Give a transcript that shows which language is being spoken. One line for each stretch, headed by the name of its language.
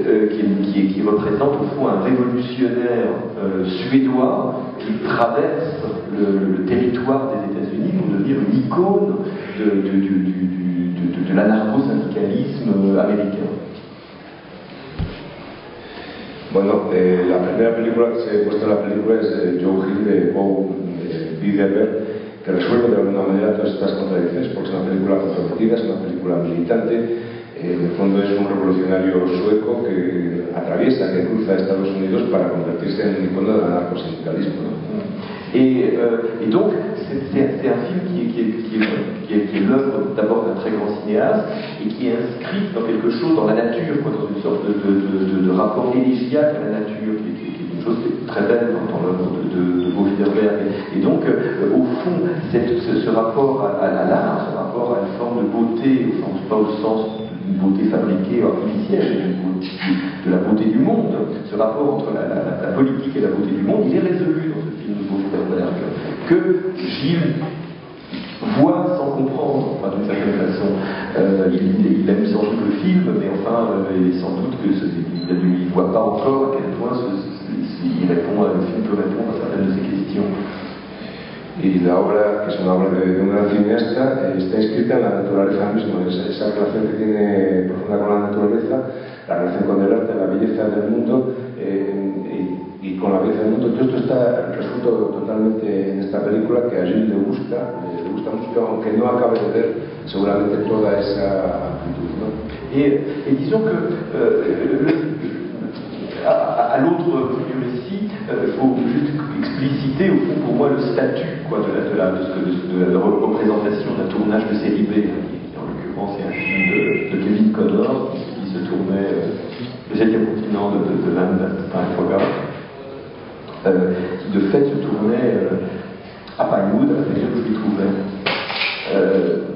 French: qui représente au fond un révolutionnaire suédois qui traverse le territoire des États-Unis pour devenir une icône de l'anarcho-syndicalisme américain.
Spanish: Bueno, la primera película que se ha puesto en la película es Joe Hill de Paul Biederberg, que resuelve de alguna manera todas estas contradicciones, porque es una película controvertida, es una película militante. En el fondo es un revolucionario sueco que atraviesa, que cruza Estados Unidos para convertirse en un icono del anarcosindicalismo, ¿no?
French: Et donc, c'est un film qui est l'œuvre d'abord d'un très grand cinéaste et qui est inscrit dans quelque chose, dans la nature, quoi, dans une sorte de rapport élégiaque à la nature, qui est une chose qui est très belle dans l'œuvre de Paul Biederberg. Et donc, au fond, ce rapport à l'art, ce rapport à une forme de beauté, au sens, pas au sens d'une beauté fabriquée artificielle, mais de la beauté du monde, ce rapport entre la politique et la beauté du monde, il est résolu dans ce film. Que Gilles voit sans comprendre, enfin, d'une certaine façon. Il aime sans doute le film, mais enfin, sans doute qu'il ne voit pas encore à quel point le film peut répondre à certaines de ses questions.
Spanish: Y la obra, que es una obra de un gran cineasta, está inscrita en la naturaleza misma, esa relación que tiene profunda con la naturaleza, la relación con el arte, la belleza del mundo y con la belleza del mundo. Todo esto está resuelto totalmente en esta película, que a Gilles le gusta mucho, aunque no acabe de ver seguramente toda esa actitud, ¿no? Y dicen que
French: à l'autre bout du récit, faut juste expliciter au fond pour moi le statut quoi de la représentation d'un tournage de série B. En l'occurrence, c'est un film de Kevin Connor qui se tournait le 7e continent de l'Inde, enfin, qui de fait se tournait à Pinewood, à la manière où je l'y trouvais.